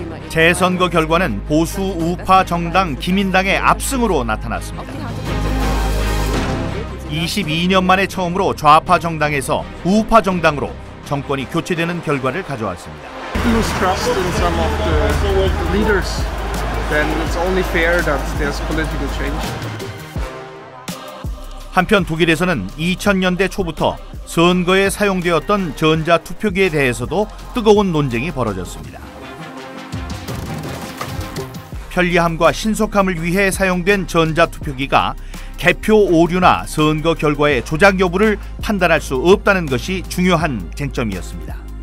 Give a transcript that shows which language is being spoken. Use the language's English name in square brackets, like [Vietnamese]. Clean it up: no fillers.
[Korean] 재선거 결과는 보수 우파 정당 기민당의 압승으로 나타났습니다. 22년 만에 처음으로 좌파 정당에서 우파 정당으로 정권이 교체되는 결과를 가져왔습니다. [English] Lose trust in some of the leaders, then it's only fair that there's political change. [Korean] 한편 독일에서는 2000년대 초부터 선거에 사용되었던 전자 투표기에 대해서도 뜨거운 논쟁이 벌어졌습니다. 편리함과 신속함을 위해 사용된 전자 투표기가 개표 오류나 선거 결과의 조작 여부를 판단할 수 없다는 것이 중요한 쟁점이었습니다.